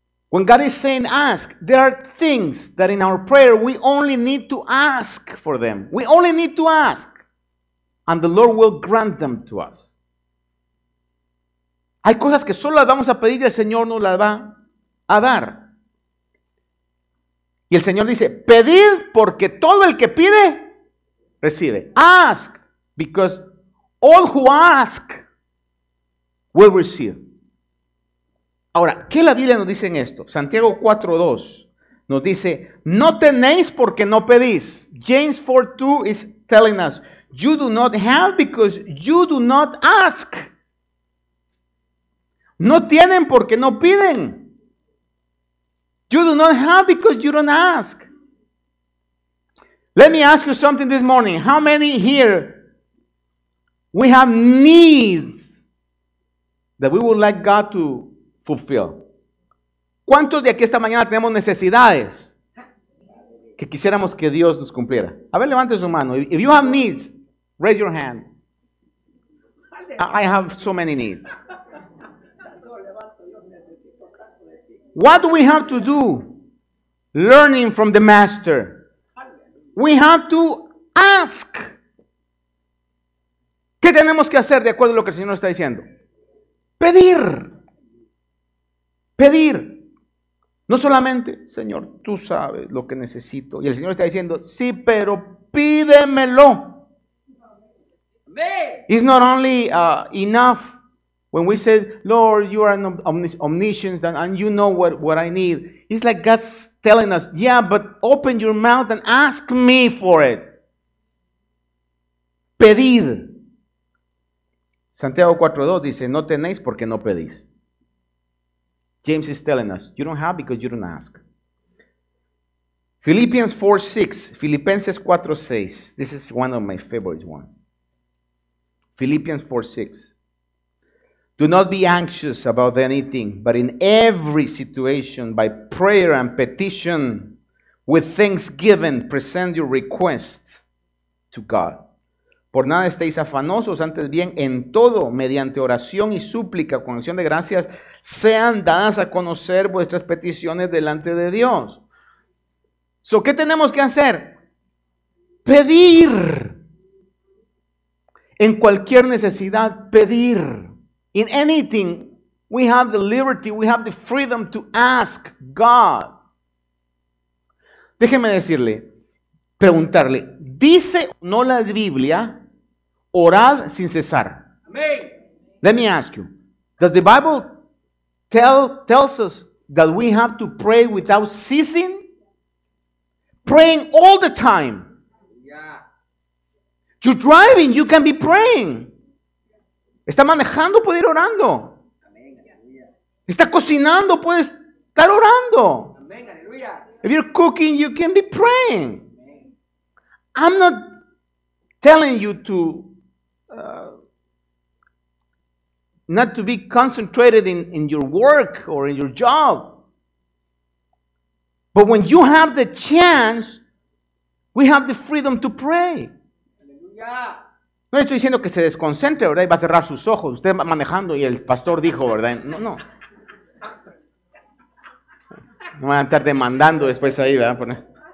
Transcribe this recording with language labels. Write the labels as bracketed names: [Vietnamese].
[English] When God is saying ask, there are things that in our prayer we only need to ask for them. We only need to ask. And the Lord will grant them to us. [Spanish] Hay cosas que solo las vamos a pedir y el Señor nos las va a dar. Y el Señor dice, pedid porque todo el que pide, recibe. [English] Ask, because all who ask will receive. [Spanish] Ahora, ¿qué la Biblia nos dice en esto? Santiago 4:2 nos dice, no tenéis porque no pedís. [English] James 4:2 is telling us, you do not have because you do not ask. [Spanish] No tienen porque no piden. [English] You do not have because you don't ask. Let me ask you something this morning. How many here, we have needs that we would like God to fulfill? [Spanish] ¿Cuántos de aquí esta mañana tenemos necesidades que quisiéramos que Dios nos cumpliera? A ver, levante su mano. [English] If you have needs, raise your hand. I have so many needs. What do we have to do? Learning from the master. We have to ask. [Spanish] ¿Qué tenemos que hacer de acuerdo a lo que el Señor está diciendo? Pedir. Pedir. No solamente, Señor, tú sabes lo que necesito. Y el Señor está diciendo, sí, pero pídemelo. [English] It's not only enough. When we said, Lord, you are omniscient and you know what I need. It's like God's telling us, yeah, but open your mouth and ask me for it. [Spanish] pedid. Santiago 4:2 dice, no tenéis porque no pedís. [English] James is telling us, you don't have because you don't ask. Philippians 4:6, Filipenses 4:6. This is one of my favorite ones. Philippians 4:6. Do not be anxious about anything, but in every situation, by prayer and petition, with thanksgiving, present your request to God. [Spanish] Por nada estéis afanosos, antes bien, en todo, mediante oración y súplica, con acción de gracias, sean dadas a conocer vuestras peticiones delante de Dios. So, ¿qué tenemos que hacer? Pedir. En cualquier necesidad, pedir. [English] In anything, we have the liberty, we have the freedom to ask God. [Spanish] Déjeme decirle, preguntarle, ¿dice no la Biblia orad sin cesar? Amen. [English] Let me ask you, does the Bible tells us that we have to pray without ceasing? Praying all the time. You're driving, you can be praying. [Spanish] Está manejando, puede ir orando. Está cocinando, puede estar orando. [English] If you're cooking, you can be praying. I'm not telling you to not to be concentrated in your work or in your job. But when you have the chance, we have the freedom to pray. [Spanish] No le estoy diciendo que se desconcentre, ¿verdad? Y va a cerrar sus ojos. Usted va manejando y el pastor dijo, ¿verdad? No, no. No van a estar demandando después ahí, ¿verdad?